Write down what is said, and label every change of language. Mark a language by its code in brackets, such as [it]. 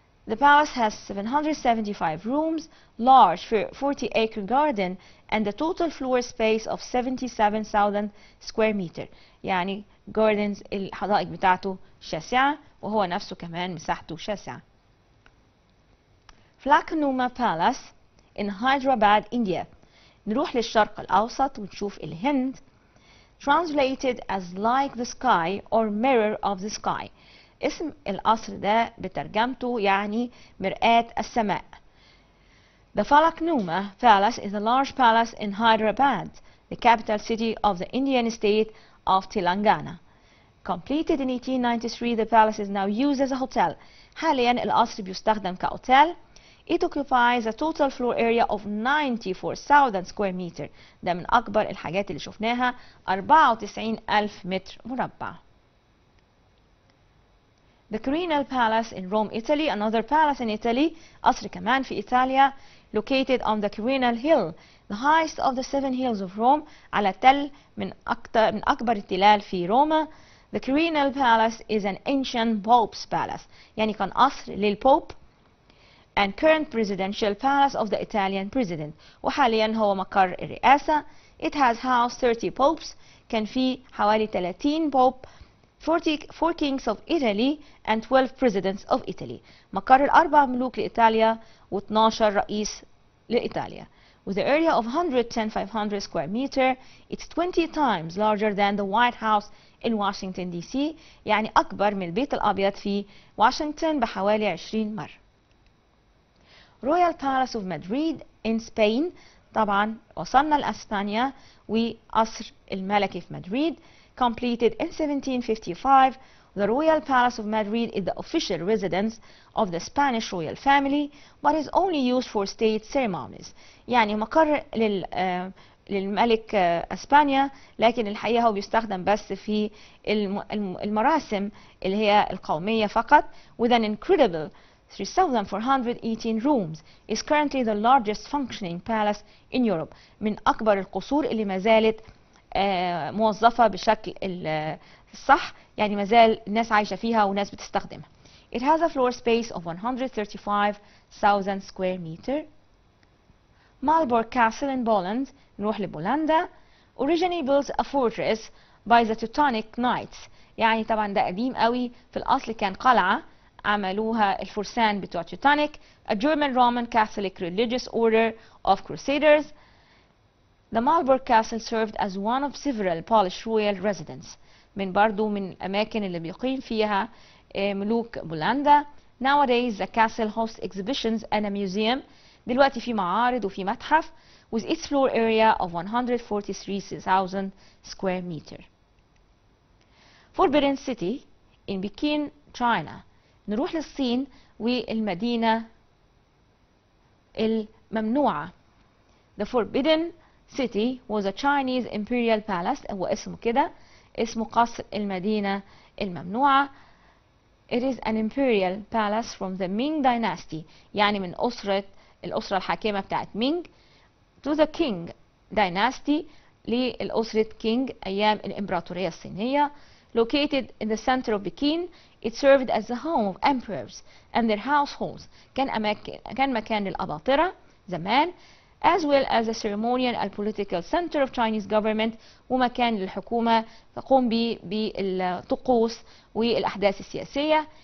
[en] The palace has 775 rooms, large 40-acre garden and a total floor space of 77,000 square meter. [ar] يعني gardens الحدائق بتاعته شاسعة وهو نفسه كمان مساحته شاسعة. [en] Flaknuma Palace in Hyderabad, India. [ar] نروح للشرق الأوسط ونشوف الهند. [en] Translated as like the sky or mirror of the sky. [ar] اسم القصر ده بترجمته يعني مرآة السماء. [en] The Flaknuma Palace is a large palace in Hyderabad, the capital city of the Indian state of Telangana. Completed in 1893, the palace is now used as a hotel. [ar] حاليا القصر بيستخدم كأوتيل. [en] It occupies a total floor area of 94,000 square meter. [ar] ده من أكبر الحاجات اللي شفناها، 94,000 متر مربع. [en] The Quirinal Palace in Rome, Italy. Another palace in Italy. [ar] قصر كمان في إيطاليا. [en] Located on the Quirinal Hill, the highest of the seven hills of Rome. [ar] على تل من أكبر التلال في روما. [en] The Quirinal Palace is an ancient Pope's palace. [ar] يعني كان قصر للبوب. [en] And current presidential palace of the Italian president. [ar] وحاليا هو مقر الرئاسة. [en] It has housed 30 popes. [ar] كان فيه حوالي 30 pope. [en] 44 kings of Italy and 12 presidents of Italy. [ar] مقر الأربع ملوك لإيطاليا و12 رئيس لإيطاليا. [en] With an area of 110,500 square meter, it's 20 times larger than the White House in Washington DC. [ar] يعني أكبر من البيت الأبيض في واشنطن بحوالي 20 مرة. [en] Royal Palace of Madrid in Spain. [ar] طبعا وصلنا لأسبانيا وقصر الملكي في مدريد. [en] Completed in 1755, the Royal Palace of Madrid is the official residence of the Spanish royal family, but is only used for state ceremonies. [ar] يعني مقر للملك أسبانيا، لكن الحقيقة هو بيستخدم بس في المراسم اللي هي القومية فقط. [en] With an incredible 3,418 rooms, is currently the largest functioning palace in Europe. [ar] من أكبر القصور اللي ما زالت موظفة بشكل الصح، يعني مازال الناس عايشة فيها وناس بتستخدمها. [en] It has a floor space of 135,000 square meter. Malbork Castle in Poland. [ar] نروح لبولندا. [en] Originally built a fortress by the Teutonic Knights. [ar] يعني طبعا ده قديم قوي، في الأصل كان قلعة عملوها الفرسان بتوع تيوتونيك. [en] A German Roman Catholic religious order of crusaders. The Marlborough Castle served as one of several Polish royal residents. [ar] من برضو من الأماكن اللي بيقيم فيها ملوك بولندا. [en] Nowadays the castle hosts exhibitions and a museum. [ar] دلوقتي في معارض وفي متحف. [en] With its floor area of 143,000 square meter. Forbidden City in Pekin, China. [ar] نروح للصين والمدينة الممنوعة. [en] The Forbidden City was a Chinese imperial palace. [ar] هو اسمه كده. اسمه قصر المدينة الممنوعة. [en] It is an imperial palace from the Ming Dynasty. [ar] يعني من أسرة الأسرة الحاكمة بتاعت مينج. [en] To the King Dynasty. [ar] لأسرة كينج أيام الإمبراطورية الصينية. [en] Located in the center of Pekin, it served as the home of emperors and their households. [ar] كان مكان للأباطرة زمان. [en] As well as a ceremonial and political center of Chinese government. [ar] ومكان للحكومة تقوم بالطقوس والأحداث السياسية.